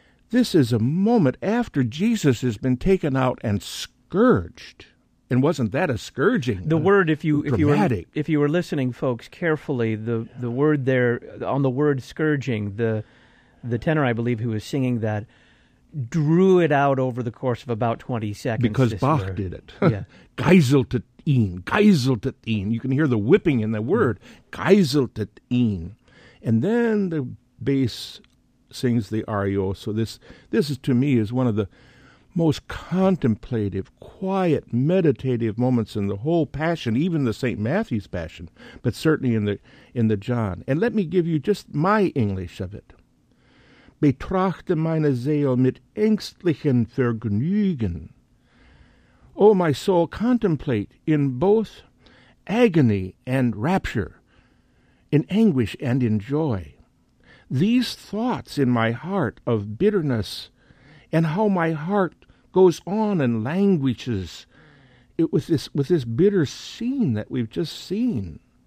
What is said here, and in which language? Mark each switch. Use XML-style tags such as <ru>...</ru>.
<en>This is a moment after Jesus has been taken out and scourged. And wasn't that a scourging? The word, if you were listening, folks, carefully, the word there, on the word scourging, the tenor, I believe, who was singing that, drew it out over the course of about 20 seconds. Because Bach did it. Yeah.</en> <de>Geiselt ihn, geiselt ihn.</de> <en>You can hear the whipping in the word.</en> <de>Geiselt ihn.</de> <en>And then the bass sings the ario. So this is, to me, is one of the most contemplative, quiet, meditative moments in the whole Passion, even the St. Matthew's Passion, but certainly in the John. And let me give you just my English of it.</en> <de>Betrachte meine Seele mit ängstlichen Vergnügen.</de> <en>Oh, my soul, contemplate in both agony and rapture, in anguish and in joy. These thoughts in my heart of bitterness, and how my heart goes on and languishes it with this bitter scene that we've just seen.</en>